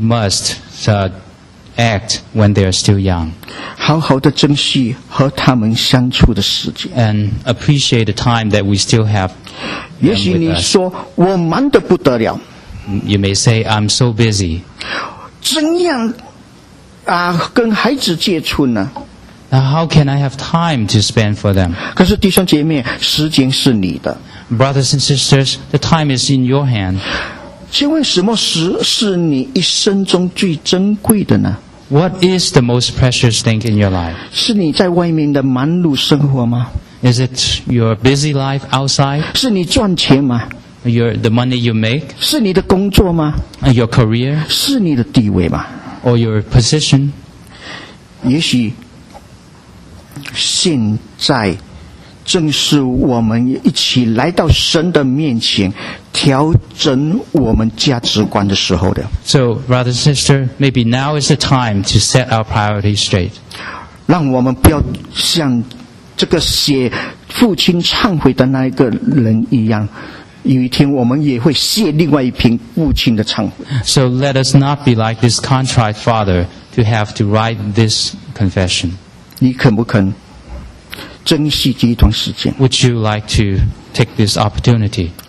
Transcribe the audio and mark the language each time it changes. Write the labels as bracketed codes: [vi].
[en] We must act when they are still young. [zh] 好好的珍惜和他们相处的时间。 [en] And appreciate the time that we still have. [zh] 也许你说我忙得不得了。 [en] You may say I'm so busy. [zh] 怎样啊跟孩子接触呢？ [en] Now, how can I have time to spend for them? [zh] 可是弟兄姐妹，时间是你的。 [en] Brothers and sisters, the time is in your hand. [zh] 请问什么时是你一生中最珍贵的呢？ [en] What is the most precious thing in your life? [zh] 是你在外面的忙碌生活吗？ [en] Is it your busy life outside? [zh] 是你赚钱吗？ [en] The money you make? [zh] 是你的工作吗？ [en] Your career? [zh] 是你的地位吗？ [en] Or your position? [zh] 也许现在正是我们一起来到神的面前调整我们价值观的时候的。 [en] So, brother and sister, maybe now is the time to set our priorities straight. [zh] 让我们不要像这个写父亲忏悔的那一个人一样，有一天我们也会写另外一篇父亲的忏悔。 [en] So let us not be like this contrite father to have to write this confession. [zh] 你肯不肯珍惜这一段时间？ [en] Would you like to take this opportunity?